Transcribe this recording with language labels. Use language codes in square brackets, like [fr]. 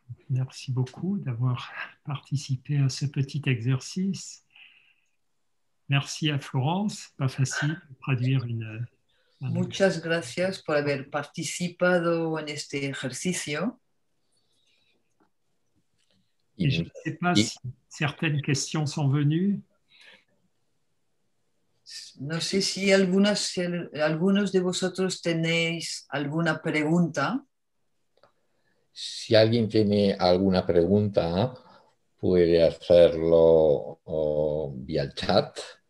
[fr] Merci beaucoup d'avoir participé à ce petit exercice. Merci à Florence, pas facile de traduire une. [es] Muchas gracias por haber participado en este ejercicio. [fr] Et je ne sais pas si certaines questions sont venues. [es] No sé si algunas, si algunos de vosotros tenéis alguna pregunta. Si alguien tiene alguna pregunta, puede hacerlo vía el chat.